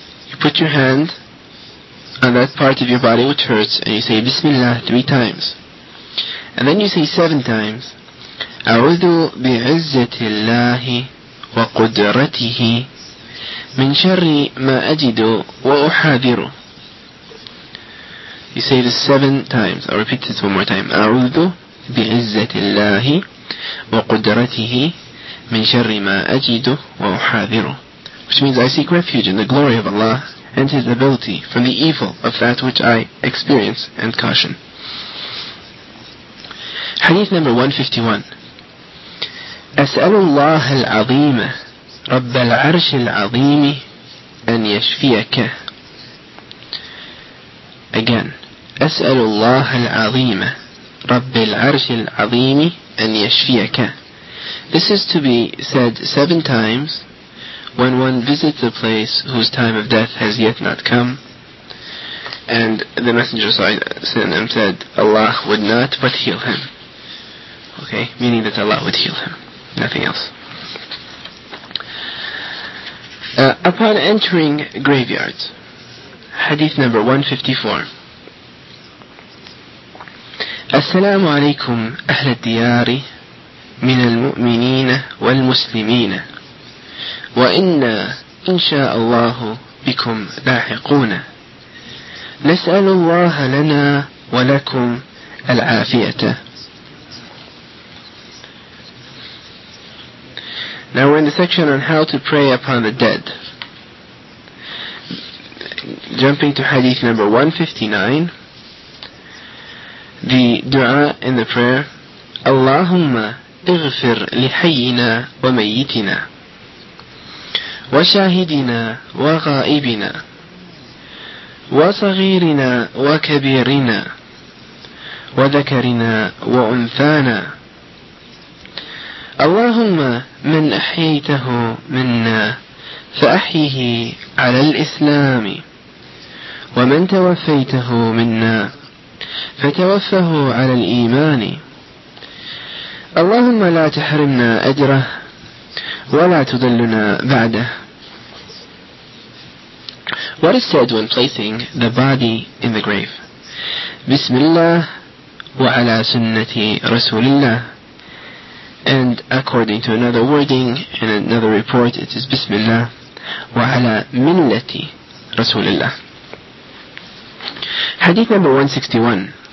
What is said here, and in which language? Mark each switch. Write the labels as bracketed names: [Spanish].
[English] You put your hand on that part of your body which hurts and you say Bismillah three times. And then you say seven times, [Arabic] أعوذ بعزة الله وقدرته من شر ما أجد وأحاذر. [English] You say this seven times. I'll repeat this one more time. [Arabic] أعوذ بعزة الله وقدرته من شر ما أجد وأحاذر. [English] Which means I seek refuge in the glory of Allah and His ability from the evil of that which I experience and caution. Hadith number 151. [Arabic] أسأل الله العظيم رب العرش العظيم أن يشفيك. [English] Again, [Arabic] أسأل الله العظيم رب العرش العظيم أن يشفيك. [English] This is to be said seven times when one visits a place whose time of death has yet not come. And the Messenger said, Allah would not but heal him. Okay, meaning that Allah would heal him, nothing else. Upon entering graveyards, Hadith number 154. [Arabic] السلام عليكم أهل الديار من المؤمنين والمسلمين وإنا إن شاء الله بكم لاحقون نسأل الله لنا ولكم العافية. [English] Now we're in the section on how to pray upon the dead. Jumping to Hadith number 159, the dua in the prayer, [Arabic] Allahumma ighfir lihayyina wa mayyitina wa shahidina wa ghaibina wa saghirina wa kabirina wa dhakarina wa unthana. اللهم من أحييته منا فأحيه على الإسلام ومن توفيته منا فتوفه على الإيمان. اللهم لا تحرمنا أجره ولا تضلنا بعده. [English] What is said when placing the body in the grave? [Arabic] بسم الله وعلى سنة رسول الله. [English] And according to another wording and another report, it is [Arabic] Bismillah wa ala millati Rasulillah. [English] Hadith number 161.